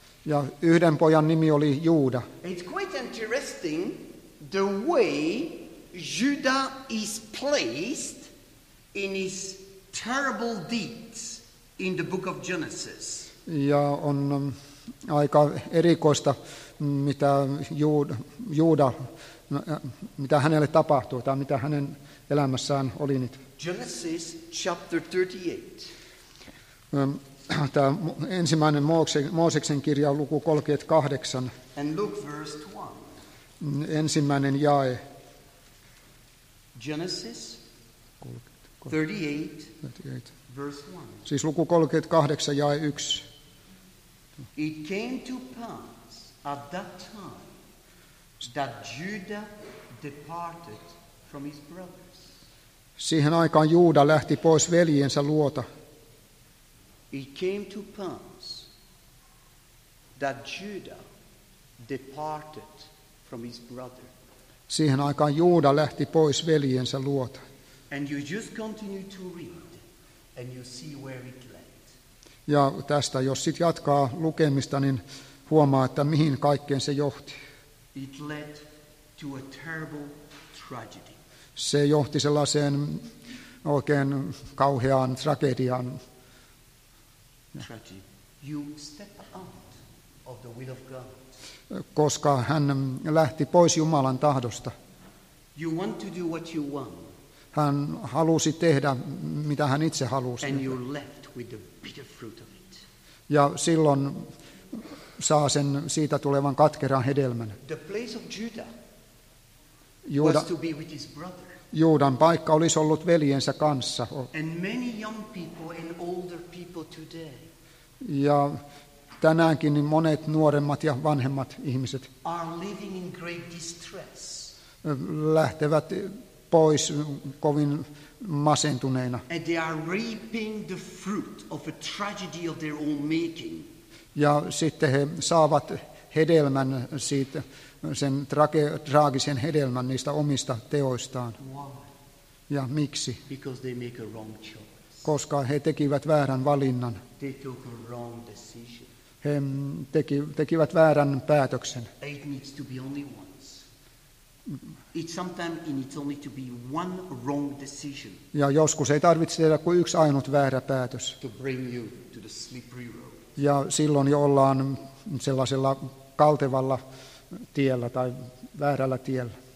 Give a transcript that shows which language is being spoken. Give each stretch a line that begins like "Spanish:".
Finnish: Ja yhden pojan nimi oli Juuda.
English: It's quite interesting the way Judah is placed in his terrible deeds in the book of Genesis.
Finnish: Ja on aika erikoista, mitä Juuda, mitä hänelle tapahtui tai mitä hänen elämässään oli nyt.
English: Genesis chapter 38.
Finnish: Tämä ensimmäinen Mooseksen kirja on luku 38.
English: And look verse 1.
Finnish: Ensimmäinen jae.
English: Genesis 38, verse 1.
Finnish: Siis luku 38, jae 1.
English: It came to pass at that time that Judah departed from his brothers.
Finnish: Siihen aikaan Juuda lähti pois veljensä luota.
English: It came to pass that Judah departed from his brother.
Finnish: Siihen aikaan Juuda lähti pois veljensä luota.
English: And you just continue to read and you see where it led.
Finnish: Ja tästä jos sit jatkaa lukemista, niin huomaa, että mihin kaikkeen se johti.
English: It led to a terrible tragedy. Se johti sellaiseen oikein kauheaan tragediaan. Tragedy. You step out of the will of God.
Finnish: Koska hän lähti pois Jumalan tahdosta.
English: You want to do what you want.
Finnish: Hän halusi tehdä mitä hän itse halusi.
English: And you left with the bitter fruit of it.
Finnish: Ja silloin saa sen siitä tulevan katkeran hedelmän.
English: The place of Judah was to be with his brother.
Finnish: Juudan paikka olisi ollut veljensä kanssa.
English: And many young people and older people today.
Finnish: Ja tänäänkin monet nuoremmat ja vanhemmat ihmiset
English: are living in great distress.
Finnish: Lähtevät pois kovin masentuneina.
English: And they are reaping the fruit of a tragedy of their own making.
Finnish: Ja sitten he saavat hedelmän siitä, sen traagisen hedelmän niistä omista teoistaan.
English: Why?
Finnish: Ja miksi?
English: Because they make a wrong choice.
Finnish: Koska he tekivät väärän valinnan.
English: They took a wrong decision.
Finnish: He tekivät väärän päätöksen.
English: It needs to be only once. It's sometimes it needs only to be one wrong decision.
Finnish: Ja joskus ei tarvitse tehdä kuin yksi ainut väärä päätös.
English: To bring you to the slippery road.
Finnish: Ja silloin jo ollaan sellaisella kaltevalla tiellä tai väärällä tiellä.